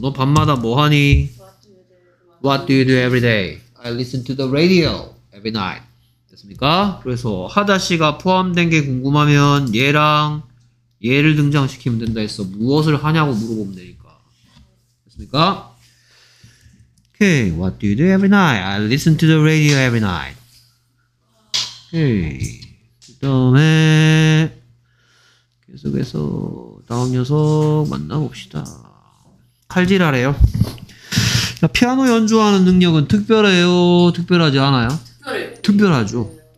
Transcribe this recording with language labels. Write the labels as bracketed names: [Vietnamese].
[Korean] 너 밤마다 뭐 하니? [English] What do you do every day? I listen to the radio every night. [Korean] 됐습니까? 그래서 하다시가 포함된 게 궁금하면 얘랑 얘를 등장시키면 된다 했어. 무엇을 하냐고 물어보면 되니까. 됐습니까? [English] Okay, what do you do every night? I listen to the radio every night. Okay. [Korean] 그 다음에 계속해서 다음 녀석 만나봅시다. 칼질하래요. 자, 피아노 연주하는 능력은 특별해요? 특별하지 않아요? 특별해요. 특별하죠.